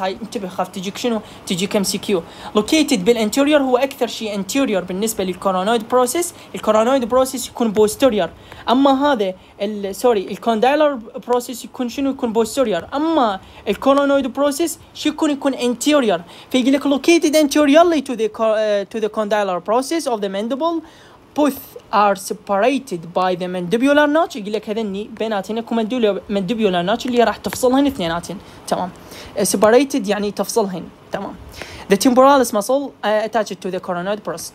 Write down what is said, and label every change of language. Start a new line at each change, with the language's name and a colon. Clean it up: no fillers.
Arabic: هاي انتبه خاف تجيك شنو؟ تجيك MCQ. Located بالانتيريور هو أكثر شيء anterior بالنسبة للcoronoid process. الcoronoid process يكون posterior. أما هذا الcondylar process يكون شنو؟ يكون posterior. أما الcoronoid process شو يكون؟ يكون anterior.
English: فيقول لك located anteriorly to the condylar process of the mandible. Both are separated by the mandibular notch.
Arabic: يقول لك هذني بيناتين اكو mandibular notch اللي راح تفصلهن اثنيناتين. تمام. Separated يعني تفصلهن. تمام.
English: The temporalis muscle attached to the coronoid process.